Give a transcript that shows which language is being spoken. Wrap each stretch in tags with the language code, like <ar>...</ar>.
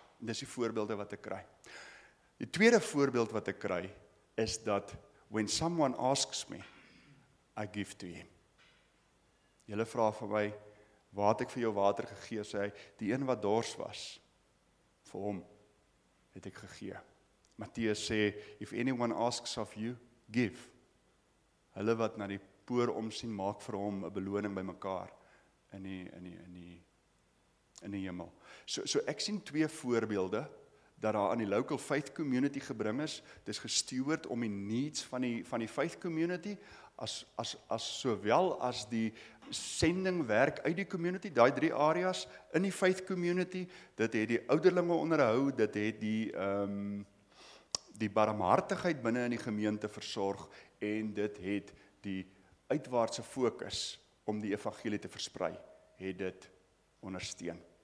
<af>Dis die voorbeelde wat ek kry. Die tweede voorbeeld wat ek kry, is dat,</af> <en>when someone asks me, I give to him.</en> <af>Julle vra vir my, waar het ek vir jou water gegee, sê hy, die een wat dors was, vir hom, het ek gegee. Matteus sê,</af> <en>if anyone asks of you, give.</en> <af>Hulle wat na die poor omsien, maak vir hom 'n beloning by mekaar in die hemel. So ek sien twee voorbeelde dat daar aan die local faith community gebring is. Dis gestuurd om die needs van die faith community as sowel as die sendingwerk uit die community, daai drie areas in die faith community, dit het die ouderlinge onderhou, dit het die die barmhartigheid binne in die gemeente versorg, en dit het die uitwaartse fokus om die evangelie te versprei, het dit ondersteun.</af>